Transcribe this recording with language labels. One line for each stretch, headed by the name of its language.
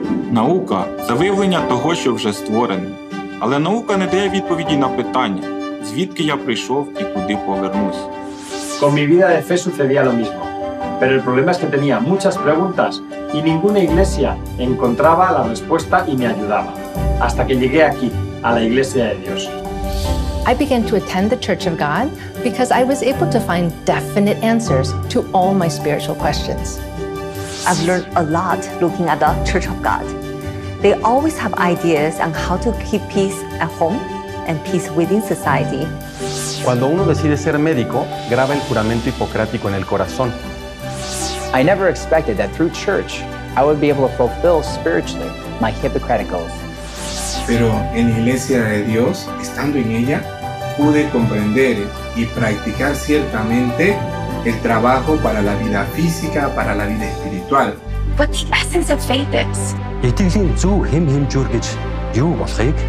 Ukrainian: Наука – це виявлення того, що вже створено. Але наука не дає відповіді на питання, звідки я прийшов і куди повернусь.
Spanish: Con mi vida de fe sucedía lo mismo, pero el problema es que tenía muchas preguntas y ninguna iglesia encontraba la respuesta y me ayudaba. Hasta que llegué aquí, a la Iglesia de Dios.
English: I began to attend the Church of God because I was able to find definite answers to all my spiritual questions. I've learned a lot looking at the Church of God. They always have ideas on how to keep peace at home and peace within society.
Spanish: Cuando uno decide ser médico, graba el juramento hipocrático en el corazón.
English: I never expected that through church, I would be able to fulfill spiritually my Hippocratic oath.
Spanish: Pero en la Iglesia de Dios, estando en ella, pude comprender y practicar ciertamente el trabajo para la vida física, para la vida espiritual.
English: What the essence of faith is? It is in zu him him jurgich, you wasik.